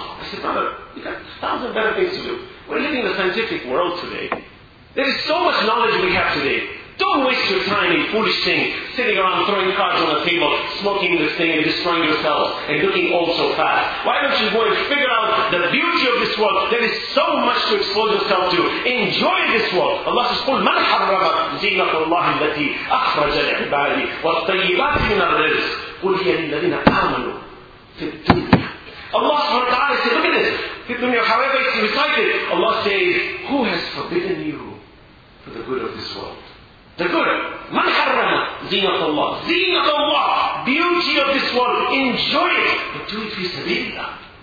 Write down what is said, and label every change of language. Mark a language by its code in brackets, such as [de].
[en] I said, brother, you got thousands of better things to do. We're living in the scientific world today. There is so much knowledge we have today. Don't waste your time in foolish things, sitting around throwing cards on the table, smoking this thing and destroying yourself, and looking old so fast. Why don't you go and figure out the beauty of this world? There is so much to expose yourself to. Enjoy this world. Allah says, [ar] قُلْ مَنْ حَرَّمَ زِينَةُ اللَّهِ الَّتِي أَخْرَجَ الْعِبَادِ وَالطَّيِّبَاتِ مِنَ الرِّزْقِ قُلْ هِيَ لِلَّذِينَ آمَنُوا فِي الدُّنْيَا. [en] Allah subhanahu wa ta'ala says, look at this. Fi dunya, however it's recited, Allah says, who has forbidden you for the good of this world? The good. [ar] Man harrama zinatullah. Zinatullah. [en] Beauty of this world. Enjoy it. But do it fi sabilillah.